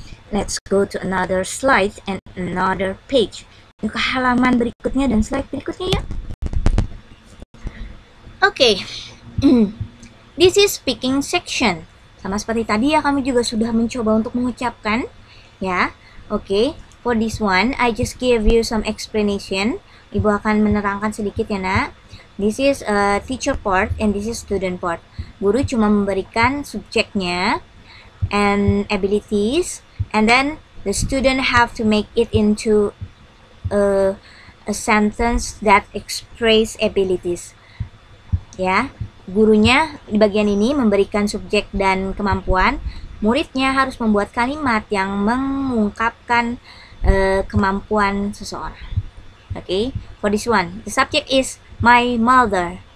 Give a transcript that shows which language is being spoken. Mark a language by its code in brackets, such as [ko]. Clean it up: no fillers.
[en] Let's go to another slide and another page. [id] Yuk ke halaman berikutnya dan slide berikutnya ya. [en] Okay. This is speaking section. [id] Sama seperti tadi ya, kami juga sudah mencoba untuk mengucapkan ya. [en] Okay. For this one, I just give you some explanation. [id] Ibu akan menerangkan sedikit ya, nak. [en] This is a teacher part and this is student part. [id] Guru cuma memberikan subjeknya [en] and abilities, and then the student have to make it into a sentence that express abilities. [id] Ya, gurunya di bagian ini memberikan subjek dan kemampuan. Muridnya harus membuat kalimat yang mengungkapkan kemampuan seseorang. [en] Okay, for this one, the subject is my mother.